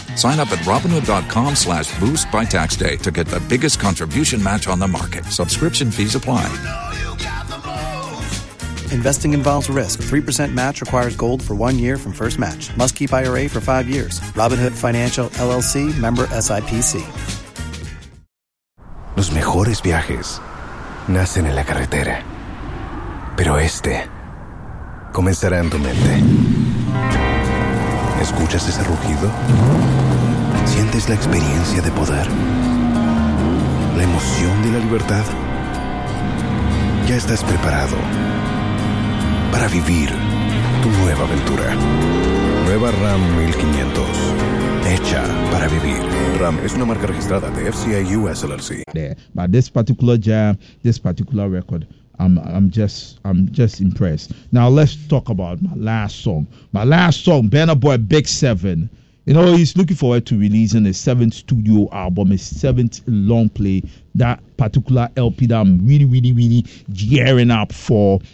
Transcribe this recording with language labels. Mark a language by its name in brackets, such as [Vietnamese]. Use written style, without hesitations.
[English] Sign up at Robinhood.com/boost by tax day to get the biggest contribution match on the market. Subscription fees apply. You know you got the most. Investing involves risk. 3% match requires gold for 1 year from first match. Must keep IRA for 5 years. Robinhood Financial LLC, member SIPC. [Spanish] Los mejores viajes nacen en la carretera, pero este comenzará en tu mente. ¿Escuchas ese rugido? ¿Sientes la experiencia de poder? ¿La emoción de la libertad? Ya estás preparado para vivir tu nueva aventura. Nueva Ram 1500. Hecha para vivir. Ram es una marca registrada de FCA US LLC. [English] But this particular jam, this particular record, I'm just impressed. Now let's talk about my last song. My last song, Burna Boy Big 7. You know, he's looking forward to releasing his seventh studio album, his seventh long play, that particular LP that I'm really, really, really gearing up for.